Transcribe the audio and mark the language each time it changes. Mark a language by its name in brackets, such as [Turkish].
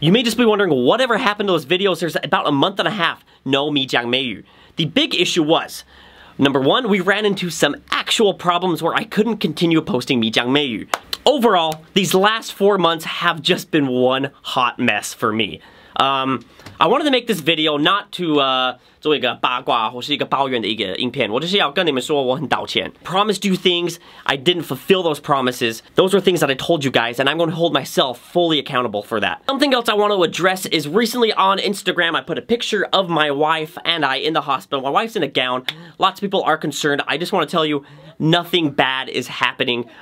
[English] You may just be wondering, whatever happened to those videos? There's about a month and a half. No, Mi Jiang Mei Yu. The big issue was, number one, we ran into some actual problems where I couldn't continue posting Mi Jiang Mei Yu. Overall, these last 4 months have just been one hot mess for me. I wanted to make this video not to, [Chinese] 做一个八卦或是一个抱怨的一个影片，我就是要跟你们说我很道歉。 [English] Promised you things, I didn't fulfill those promises. Those were things that I told you guys, and I'm going to hold myself fully accountable for that. Something else I want to address is recently on Instagram, I put a picture of my wife and I in the hospital. My wife's in a gown. Lots of people are concerned. I just want to tell you, nothing bad is happening.